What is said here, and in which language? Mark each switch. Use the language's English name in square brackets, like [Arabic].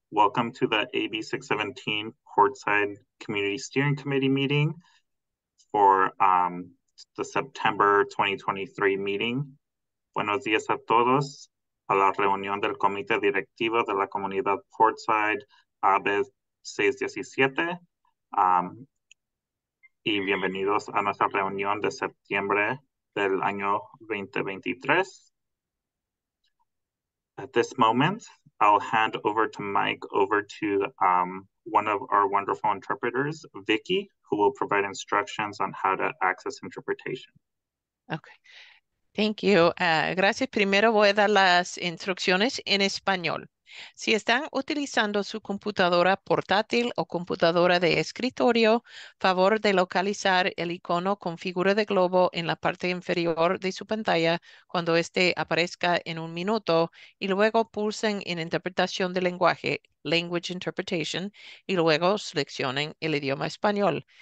[English] Welcome to the AB 617 Portside Community Steering Committee meeting for the September 2023 meeting. [Spanish] Buenos días a todos. A la reunión del Comité Directivo de la Comunidad Portside, AB 617. Y bienvenidos a nuestra reunión de septiembre del año 2023. [English] At this moment, I'll hand over to Mike, over to one of our wonderful interpreters, Vicky, who will provide instructions on how to access interpretation. Okay, thank you. [Spanish] Gracias. Primero voy a dar las instrucciones en español. Si están utilizando su computadora portátil o computadora de escritorio, favor de localizar el icono con figura de globo en la parte inferior de su pantalla cuando este aparezca en un minuto y luego pulsen en interpretación de lenguaje, [English] language interpretation, [Spanish] y luego seleccionen el idioma español.